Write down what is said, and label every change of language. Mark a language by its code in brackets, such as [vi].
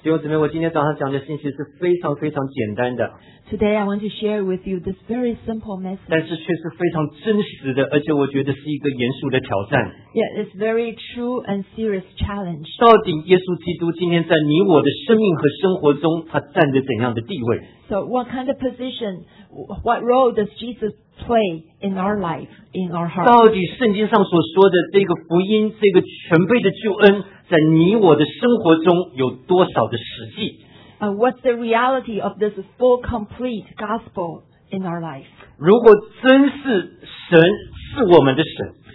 [zh] 弟兄姊妹，我今天早上讲的信息是非常非常简单的。 [en] Today I want to share with you this very simple message. [zh] 但是却是非常真实的，而且我觉得是一个严肃的挑战。 [en] Yeah, it's very true and serious challenge. [zh] 到底耶稣基督今天在你我的生命和生活中，他占着怎样的地位？ [en] So what kind of position, what role does Jesus play in our life, in our heart? [zh] 到底圣经上所说的这个福音，这个全备的救恩？在你我的生活中有多少的实际？ [en] What's the reality of this full complete gospel in our life? [zh] 如果真是神是我们的神，